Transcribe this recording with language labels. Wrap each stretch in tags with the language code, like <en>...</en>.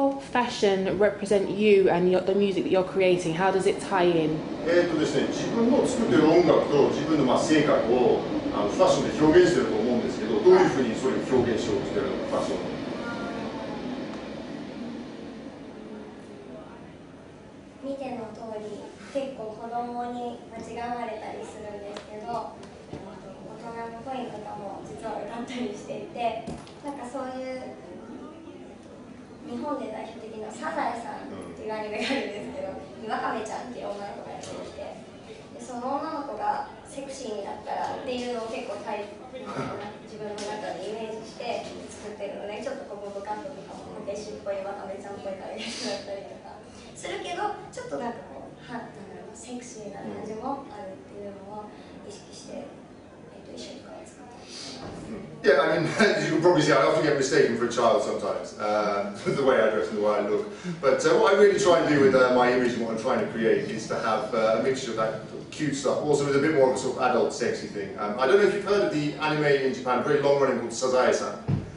<en>Fashion represent you and the music that you're creating. How does it tie in?</en> <ja>ですね、自分の作っている音楽と自分のまあ性格をあのファッションで表現していると思うんですけど、どういうふうにそれを表現しようとしているのか、ファッション。見ての通り、結構子供に間違われたりするんですけど、大人の声とかも実は歌ったりしていて、なんかそういう。日本で代表的なサザエさんっていうアニメがあるんですけど、うん、ワカメちゃんっていう女の子がやってきて、でその女の子がセクシーになったらっていうのを結構タイプな自分の中でイメージして作ってるので、ちょっとポップカットとかもこけしっぽいワカメちゃんっぽい感じだったりとかするけど、ちょっとなんかこう、はなんだろう、セクシーな感じもあるっていうのを意識して、一緒に。</ja> <en>Yeah, I mean, as you can probably see, I often get mistaken for a child sometimes, the way I dress and the way I look. But what I really try and do with my image and what I'm trying to create is to have a mixture of that cute stuff, also with a bit more of a sort of adult sexy thing. I don't know if you've heard of the anime in Japan, very long running, called Sazae-san.</en>